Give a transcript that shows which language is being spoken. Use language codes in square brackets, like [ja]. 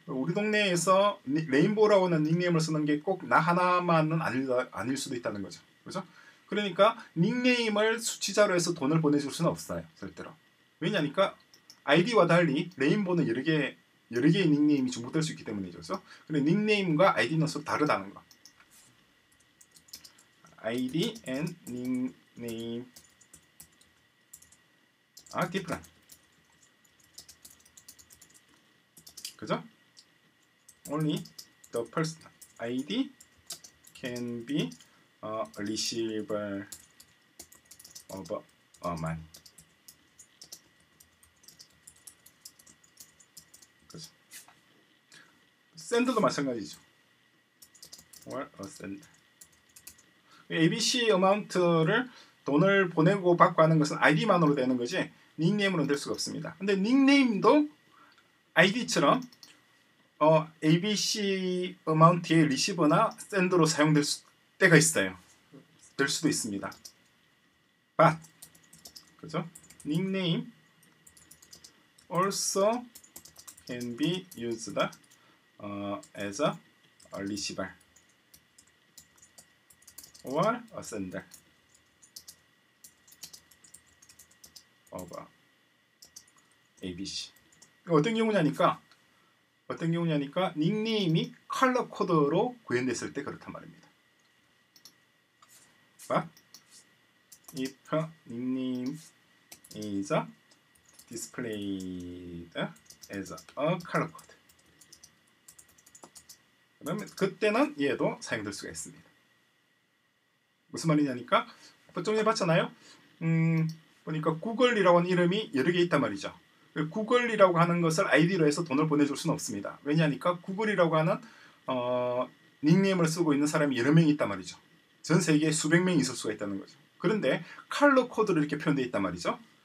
[ko] 우리 동네에서 레인보우라고 하는 닉네임을 쓰는 게 꼭 나 하나만은 아닐 수도 있다는 거죠. 그렇죠? 그러니까 닉네임을 수치자로 해서 돈을 보내줄 수는 없어요. 절대로. 왜냐니까 아이디와 달리 레인보우는 여러 개의 닉네임이 중복될 수 있기 때문이죠. 그렇죠? 그래서 닉네임과 아이디는 서로 다르다는 거. [en] ID and nickname are different. [ko] 그죠? [en] Only the person ID can be a receiver of a money. [ko] 그죠? Send도 마찬가지죠. [en] Or a sender. [ko] ABC 어마운트를 돈을 보내고 받고 하는 것은 아이디만으로 되는 거지 닉네임으로는 될 수가 없습니다. 근데 닉네임도 아이디처럼 ABC 어마운트의 리시버나 샌드로 사용될 때가 있어요. 될 수도 있습니다. But 그죠? [en] 닉네임 also can be used as a receiver. Or a sender of ABC. [ko] 어떤 경우냐니까 닉네임이 컬러 코드로 구현됐을 때 그렇단 말입니다. [en] But if a nickname is displayed as a color code, [ko] 그러면 그때는 얘도 사용될 수가 있습니다. 무슨 말이냐니까 좀 해봤잖아요. 보니까 구글이라고 하는 이름이 여러 개 있단 말이죠. 구글이라고 하는 것을 아이디로 해서 돈을 보내줄 수는 없습니다. 왜냐니까 구글이라고 하는 닉네임을 쓰고 있는 사람이 여러 명이 있단 말이죠. 전 세계에 수백 명이 있을 수가 있다는 거죠. 그런데 컬러 코드로 이렇게 표현돼 있단 말이죠.